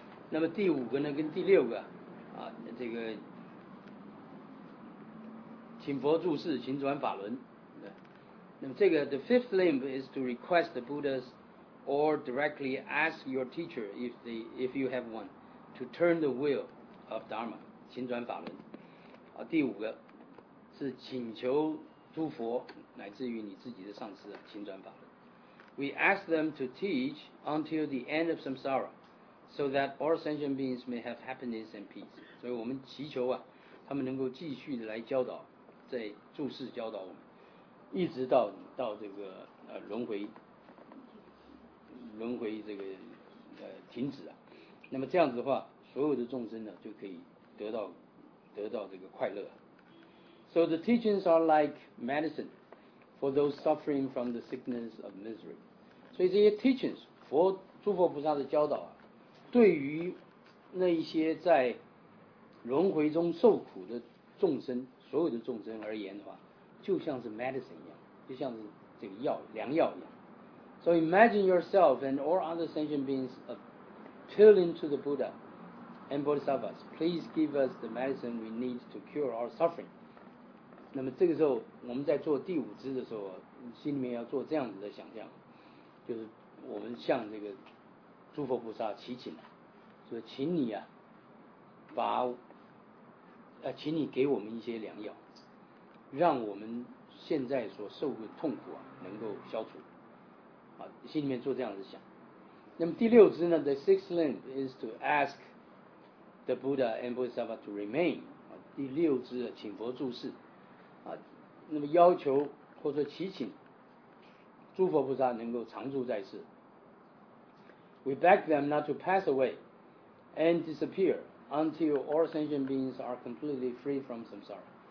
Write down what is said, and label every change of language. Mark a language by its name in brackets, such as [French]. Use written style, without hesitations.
[Chinese] 那么第五个呢跟第六个这个请佛住世请转法轮，那么这个 [English] the fifth limb is to request the Buddhas or directly ask your teacher if you have one to turn the wheel of Dharma [Chinese] 请转法轮第五个是请求诸佛乃至于你自己的上师请转法轮。 [English] We ask them to teach until the end of samsara so that all sentient beings may have happiness and peace. [Chinese] 所以我们祈求啊，他们能够继续来教导，在注视教导我们，一直到这个轮回这个停止啊。那么这样子的话，所有的众生呢就可以得到得到这个快乐。 [English] So the teachings are like medicine for those suffering from the sickness of misery. [Chinese] 所以这些 teachings, 佛诸佛菩萨的教导、啊、对于那一些在轮回中受苦的众生，所有的众生而言的话，就像是 medicine 一样，就像是这个药，良药一样。 [English] So imagine yourself and all other sentient beings appealing to the Buddha and Bodhisattvas, please give us the medicine we need to cure our suffering. [Chinese] 那么这个时候我们在做第五支的时候，心里面要做这样子的想象，就是我们向这个诸佛菩萨祈请，说请你啊，把请你给我们一些良药，让我们现在所受的痛苦啊能够消除。 [English] 啊， [Chinese] 心里面做这样子想。那么第六支呢 [English] ，the sixth limb is to ask the Buddha and Bodhisattva to remain。 [Chinese] 啊，第六支请佛住世。啊，那么要求或者祈请诸佛菩萨能够常住在世。 [English] We beg them not to pass away and disappear until all sentient beings are completely free from samsara。